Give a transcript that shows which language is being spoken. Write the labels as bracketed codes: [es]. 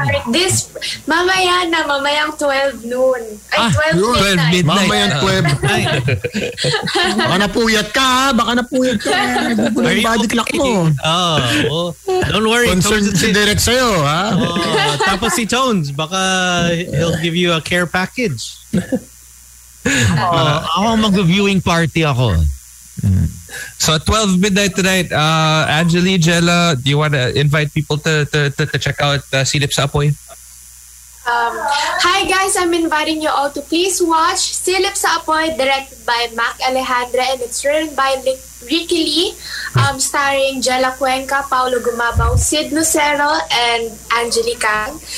[tl] this mamayang 12 noon. Ay, 12 midnight. Mamayang 12. Baka napuyat ka, baka napuyat ka. Bubunan yung body clock mo. [en] Don't worry. [tl] Concerned si Derek sa'yo, ha? Tapos si Tones, baka [en] he'll give you a care package. [tl] Ako mag-viewing party ako. [en] So at 12 midnight tonight, Anjali, Jella, do you want to invite people to check out Silip Sa Apoy? Hi guys, I'm inviting you all to please watch Silip Sa Apoy, directed by Mac Alejandra, and it's written by Ricky Lee, starring Jella Cuenca, Paulo Gumabaw, Sid Nucero, and Anjali Kang.